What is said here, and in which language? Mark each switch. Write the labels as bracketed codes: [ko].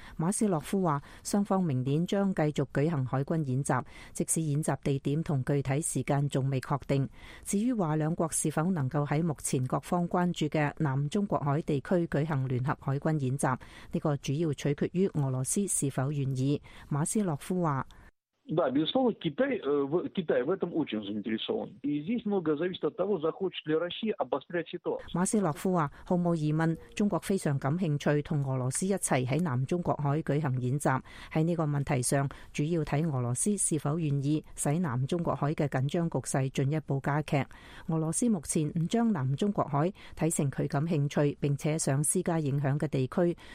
[zh] 马斯洛夫说，双方明年将继续举行海军演习，即使演习地点和具体时间还未确定。至于说两国是否能够在目前各方关注的南中国海地区举行联合海军演习，这个主要取决于俄罗斯是否愿意。马斯洛夫说， [ru] Да, безусловно, Китай в этом очень заинтересован. И здесь много зависит от того, захочет ли Россия обострять ситуацию. [zh] 马斯洛夫说, 毫无疑问, 中国非常感兴趣, 和俄罗斯一起在南中国海举行演习, 在这个问题上, 主要看俄罗斯是否愿意, 使南中国海的紧张局势进一步加剧。俄罗斯目前不将南中国海, 看成他感兴趣, 并且想施加影响的地区。